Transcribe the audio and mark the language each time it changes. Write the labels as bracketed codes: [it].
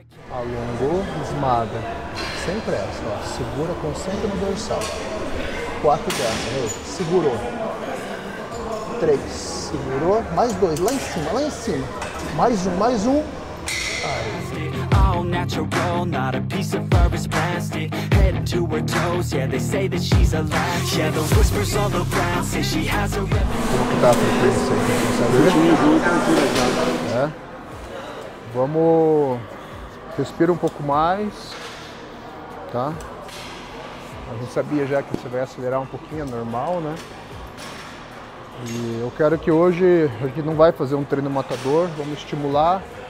[pt] Alongou, esmaga. Sem pressa, ó. Segura, concentra no dorsal. 4 dessa, segurou. 3, segurou. Mais 2, lá em cima, lá em cima. Mais 1, mais 1. Aí. [en] All natural, not a piece of fur is plastic. Head to her toes, yeah, they say that she's a latch. Yeah, the whispers all around say she has a rep. [pt] Vamos respira um pouco mais, tá? A gente sabia já que você vai acelerar um pouquinho, é normal, né? E eu quero que hoje a gente não vai fazer um treino matador, vamos estimular